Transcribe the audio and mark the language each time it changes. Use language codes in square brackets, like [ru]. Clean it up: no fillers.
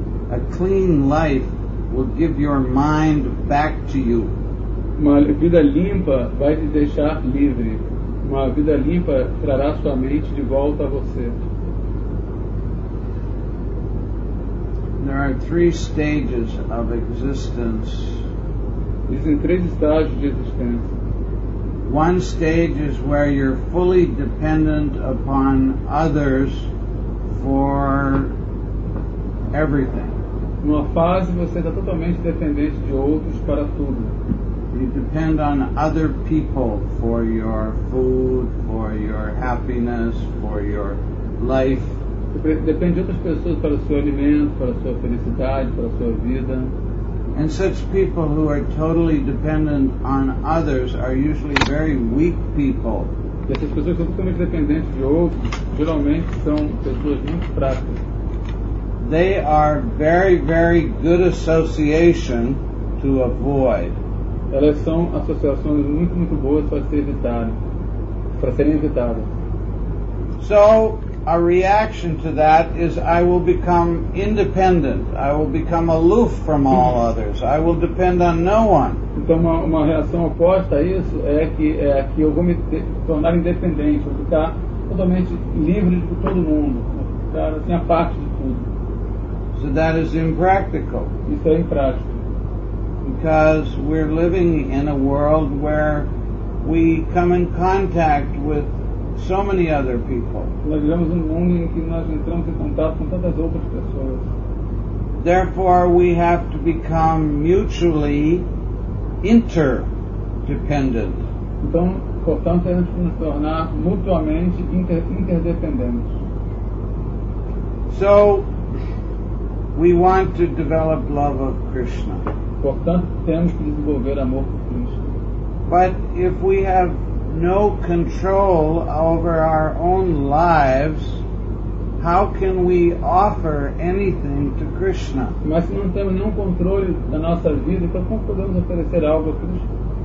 [en] A clean life will give your mind back to you. [pt] Uma vida limpa vai te deixar livre. Uma vida limpa trará sua mente de volta a você. [en] There are three stages of existence. [pt] Existem três estágios de existência. [en] One stage is where you're fully dependent upon others for everything. [pt] Numa fase você está totalmente dependente de outros para tudo. [en] You depend on other people for your food, for your happiness, for your life. [pt] Depende de outras pessoas para o seu alimento, para a sua felicidade, para a sua vida. [en] And such people who are totally dependent on others are usually very weak people. [pt] E essas pessoas que são totalmente dependentes de outros geralmente são pessoas muito fracas. [en] They are very, very good association to avoid. [pt] Elas são associações muito, muito boas para serem evitadas. [en] So, a reaction to that is I will become independent. I will become aloof from all others. I will depend on no one. [pt] Então, uma reação oposta a isso é que eu vou me tornar independente, vou ficar totalmente livre de todo mundo, ficar assim, a parte de tudo. [en] So that is impractical. [pt] Isso é impraático. [en] Because we're living in a world where we come in contact with so many other people. [pt] Nós vivemos num mundo em que nós entramos em contato com tantas outras pessoas. [en] Therefore, we have to become mutually interdependent. [pt] Então, portanto, é necessário nos tornar mutuamente interdependentes. [en] So, we want to develop love of Krishna. [pt] Portanto, temos que desenvolver amor por Krishna. [en] But if we have no control over our own lives, how can we offer anything to Krishna? [pt] Mas se não temos nenhum controle da nossa vida, então como podemos oferecer algo a Krishna?